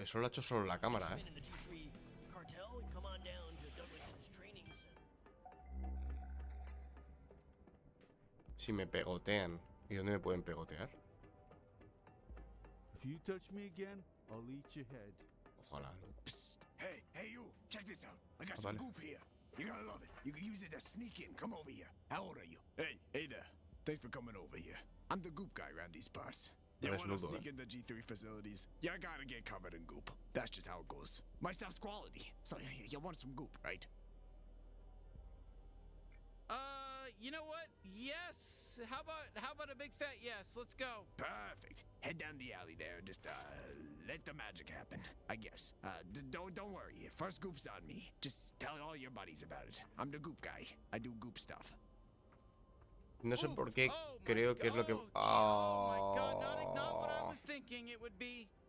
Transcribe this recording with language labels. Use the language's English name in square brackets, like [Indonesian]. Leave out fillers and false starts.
[Spanish] Eso lo ha hecho solo la cámara, Si me pegotean, ¿y dónde me pueden pegotear? [English] If you touch me again, I'll eat your head. [Spanish] Ojalá. [English] Psst. Hey, hey you. Check this out. I got some goop here. You're gonna love it. You can use it to sneak in. Come over here. How old are you? Hey, hey there. Thanks for coming over here. I'm the goop guy around these parts. You want to sneak in the G3 facilities? You gotta get covered in goop. That's just how it goes. My stuff's quality. So you want some goop, right? You know what? Yes. How about a big fat yes? Let's go. Perfect. Head down the alley there and just let the magic happen, I guess. Don't worry. First goop's on me. Just tell all your buddies about it. I'm the goop guy. I do goop stuff. [Spanish] No sé por qué creo que es lo que... [English] Oh my god, not what I was thinking it would be.